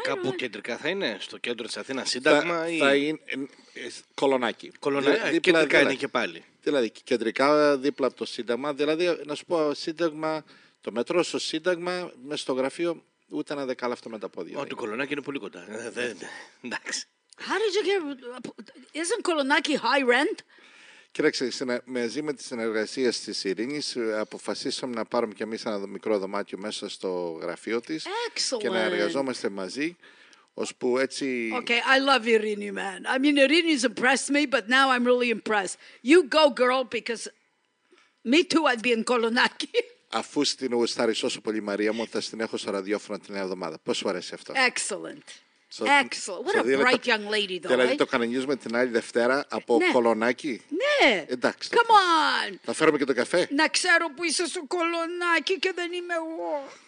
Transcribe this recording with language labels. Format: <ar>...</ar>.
<el>Κάπου κεντρικά θα είναι, στο κέντρο της Αθήνας, Σύνταγμα ή... Θα είναι Κολωνάκι. Κολωνάκι, κεντρικά είναι και πάλι. Δηλαδή, κεντρικά δίπλα από το Σύνταγμα, δηλαδή, να σου πω, Σύνταγμα, το μετρό στο Σύνταγμα, μέσα στο γραφείο, ούτε ένα δεκάλεπτο με τα πόδια. Το Κολωνάκι είναι πολύ κοντά. Εντάξει.</el> <en>How did you get... Isn't Kolonaki high rent?</en> <el>Κοίταξε, μαζί με τις συνεργασίες της Ειρήνης αποφασίσαμε να πάρουμε κι εμείς ένα μικρό δωμάτιο μέσα στο γραφείο της.</el> <en>Excellent.</en> <el>Και να εργαζόμαστε μαζί. Ώσπου έτσι...</el> <en>Okay, I love Ειρήνη, man. I mean, Ειρήνη's impressed me, but now I'm really impressed. You go, girl, because me too, I'd be in Kolonaki.</en> <el>Αφού στην γουστάρεις όσο πολύ, Μαρία μου, θα στην έχω στο ραδιόφωνο την νέα εβδομάδα. Πώς σου αρέσει αυτό?</el> <en>Excellent. Excellent. What a bright young lady, though.</en> <el>Δηλαδή, το κανονίζουμε την άλλη Δευτέρα από Κολονάκι. Ναι. Εντάξει.</el> <en>Come on.</en> <el>Θα φέρουμε και το καφέ. Να ξέρω που είσαι στο Κολονάκι και δεν είμαι εγώ.</el>